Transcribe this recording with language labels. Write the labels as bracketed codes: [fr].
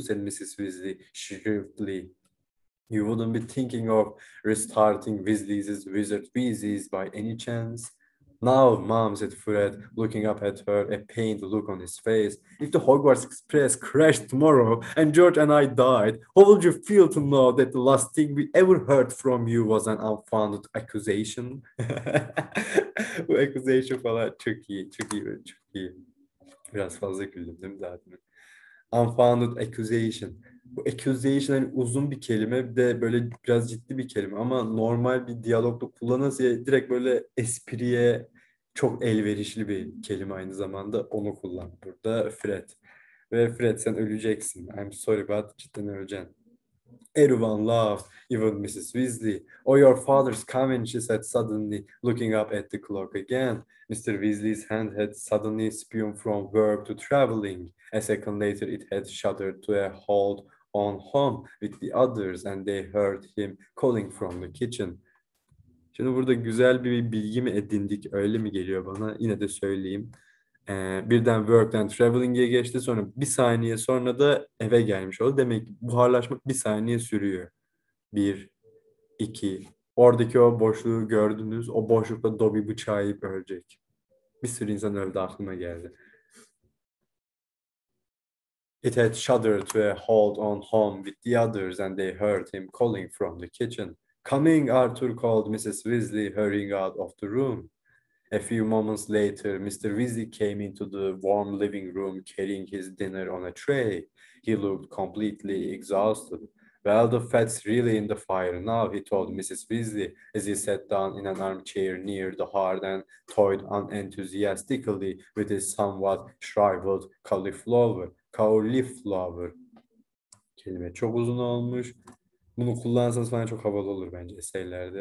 [en] Said Mrs. Weasley shrewdly. You wouldn't be thinking of restarting Weasley's wizard wheezes by any chance. Now, Mom, said Fred, looking up at her, a pained look on his face. If the Hogwarts Express crashed tomorrow and George and I died, how would you feel to know that the last thing we ever heard from you was an unfounded accusation? [tr] Bu accusation falan çok iyi, çok iyi, çok iyi. Biraz fazla güldüm değil mi zaten? [en] Unfounded accusation. [tr] Bu accusation hani uzun bir kelime, bir de böyle biraz ciddi bir kelime ama normal bir diyalogda kullanılırsa direkt böyle espriye çok elverişli bir kelime aynı zamanda, onu kullan burada Fred. Ve Fred sen öleceksin. [en] I'm sorry but [tr] cidden öleceksin. [en] Everyone laughed, even Mrs. Weasley. Oh, your father's coming, she said suddenly, looking up at the clock again. Mr. Weasley's hand had suddenly spun from verb to traveling. A second later, it had shuddered to a halt on home with the others, and they heard him calling from the kitchen. [tr] Şimdi burada güzel bir bilgi mi edindik, öyle mi geliyor bana? Yine de söyleyeyim. Birden work'ten traveling'e geçti, sonra bir saniye sonra da eve gelmiş oldu. Demek ki buharlaşmak bir saniye sürüyor. Bir, iki. Oradaki o boşluğu gördünüz, o boşlukta Dobby bıçağı yiyip ölecek. Bir sürü insan öldü, aklıma geldi. [en] It had shuddered to a halt on home with the others and they heard him calling from the kitchen. Coming, Arthur called Mrs. Weasley, hurrying out of the room. A few moments later, Mr. Weasley came into the warm living room carrying his dinner on a tray. He looked completely exhausted. Well, the fat's really in the fire now, he told Mrs. Weasley as he sat down in an armchair near the hearth and toyed unenthusiastically with his somewhat shriveled cauliflower. [tr] Cauliflower. Kelime çok uzun olmuş. Bunu kullansanız falan çok havalı olur bence eserlerde.